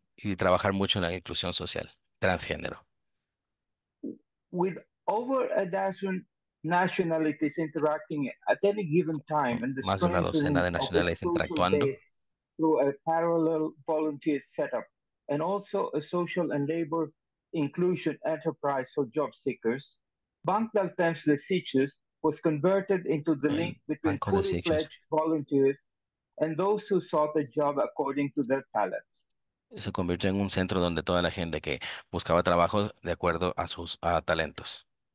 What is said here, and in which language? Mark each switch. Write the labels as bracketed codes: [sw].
[es] Y trabajar mucho en la inclusión social transgénero. [en] With over a dozen nationalities interacting at any given time and the [es] más de una docena de nacionalidades interactuando [en] through a parallel volunteer setup and also a social and labor inclusion enterprise for job seekers, Bank del Temps de Sitges was converted into the link between fully-fledged volunteers and those who sought a job according to their talents. [es] Se convirtió en un centro donde toda la gente que buscaba trabajo de acuerdo a sus talentos.